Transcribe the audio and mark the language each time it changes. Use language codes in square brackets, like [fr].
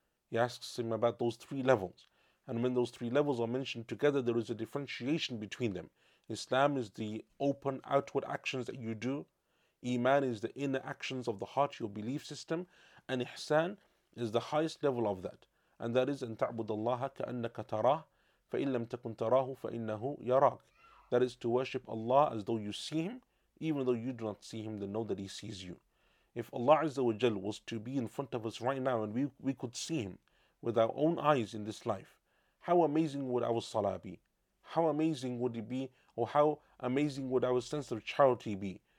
[en] He asks him about those three levels. And when those three levels are mentioned together, there is a differentiation between them. Islam is the open outward actions that you do. Iman is the inner actions of the heart, your belief system. And Ihsan is the highest level of that. And that is, [ar] أن تعبد الله كأنك تراه فإن لم تكن تراه فإنه يراك. [en] That is to worship Allah as though you see Him. Even though you do not see Him, then know that He sees you. If Allah Azza wa Jal was to be in front of us right now and we could see Him with our own eyes in this life, how amazing would our salah be? How amazing would it be? Or how amazing would our sense of charity be?